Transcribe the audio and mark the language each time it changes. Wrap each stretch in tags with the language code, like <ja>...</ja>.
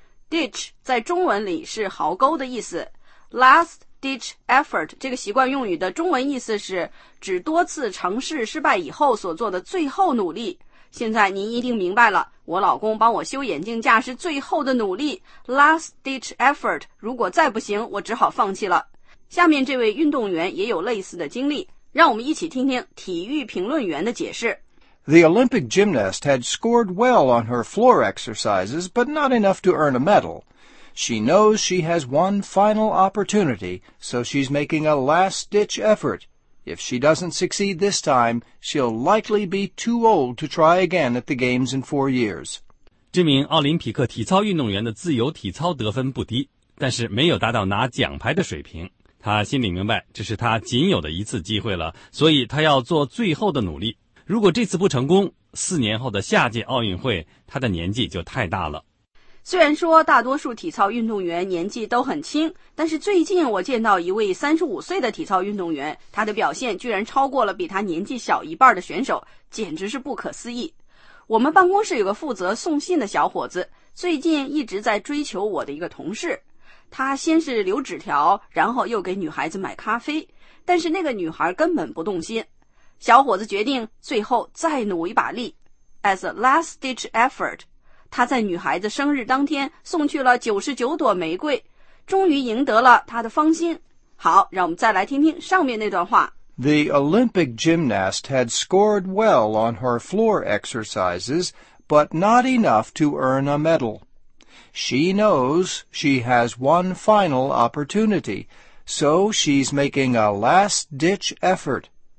<zh>Ditch 在中文里是壕沟的意思。</zh> <en>Last ditch effort</en> <zh>这个习惯用语的中文意思是指多次尝试失败以后所做的最后努力。现在您一定明白了，我老公帮我修眼镜架是最后的努力，</zh> <en>last ditch effort，</en> <zh>如果再不行我只好放弃了。下面这位运动员也有类似的经历，让我们一起听听体育评论员的解释。</zh> <en>The Olympic gymnast had scored well on her floor exercises but not enough to earn a medal. She knows she has one final opportunity, so she's making a last-ditch effort. If she doesn't succeed this time, she'll likely be too old to try again at the games in 4 years.</en> <zh>这名奥林匹克体操运动员的自由体操得分不低，但是没有达到拿奖牌的水平。他心里明白，这是他仅有的一次机会了，所以他要做最后的努力。如果这次不成功，4年后的夏季奥运会，他的年纪就太大了。虽然说大多数体操运动员年纪都很轻，但是最近我见到一位35岁的体操运动员，他的表现居然超过了比他年纪小一半的选手，简直是不可思议。我们办公室有个负责送信的小伙子，最近一直在追求我的一个同事。他先是留纸条，然后又给女孩子买咖啡，但是那个女孩根本不动心。小伙子决定最后再努一把力 ,</zh> <en>as a last ditch effort,</en> <zh>他在女孩子生日当天送去了99朵玫瑰，终于赢得了她的芳心。好，让我们再来听听上面那段话。</zh> <en>The Olympic gymnast had scored well on her floor exercises, but not enough to earn a medal. She knows she has one final opportunity, so she's making a last-ditch effort.</en>